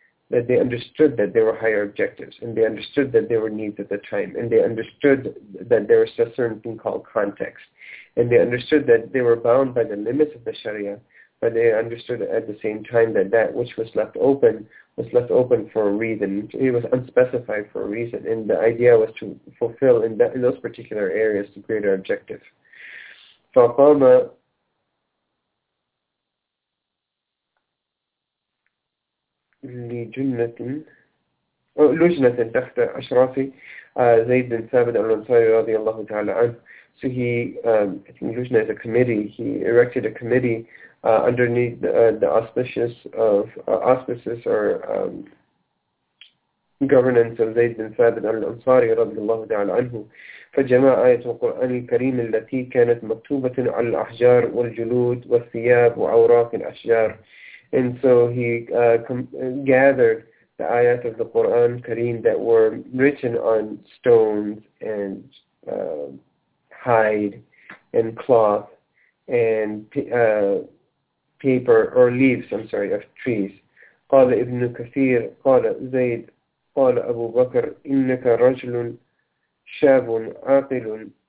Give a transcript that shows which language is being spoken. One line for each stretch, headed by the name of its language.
English: That they understood that there were higher objectives, and they understood that there were needs at the time, and they understood that there was a certain thing called context, and they understood that they were bound by the limits of the Sharia, but they understood at the same time that that which was left open was left open for a reason. It was unspecified for a reason, and the idea was to fulfill in that, in those particular areas, the greater objective.
Arabic: فقام لجنة تحت أشراف زيد بن ثابت الأنصاري رضي الله تعالى عنه.
English: So he, I think Lujna is a committee, he erected a committee underneath the auspices of auspices or governance of Zayd bin Thabit al-Ansari
Arabic: رضي الله تعالى عنه. فجمع آية القرآن الكريم التي كانت مكتوبة على الأحجار والجلود والثياب وأوراق الأشجار.
English: And so he gathered the ayat of the Quran Kareem that were written on stones and hide and cloth and paper or leaves, I'm sorry, of trees.
Arabic: قال ابن كثير قال زيد قال أبو بكر إنك رجل شاب عاقل